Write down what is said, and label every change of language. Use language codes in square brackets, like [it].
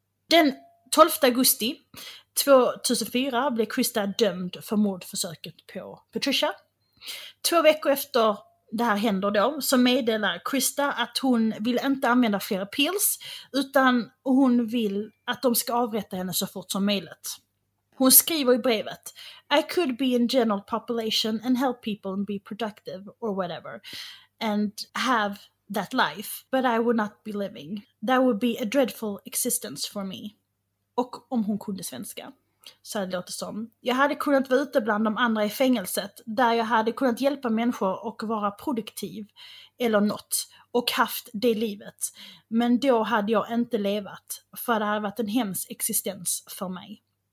[sv] Den 12 augusti 2004 blev Krista dömd för mordförsöket på Patricia. 2 veckor efter det här händer då så meddelar Krista att hon vill inte använda fler pills utan hon vill att de ska avrätta henne så fort som möjligt. Hon skriver i brevet: [en] I could be in general population and help people and be productive or whatever and have that life, but I would not be living. That would be a dreadful existence for me. [sv] Och om hon kunde svenska så hade det låtit som: jag hade kunnat vara ute bland de andra i fängelset där jag hade kunnat hjälpa människor och vara produktiv eller något och haft det livet. Men då hade jag inte levat, för det hade varit en hemsk existens för mig.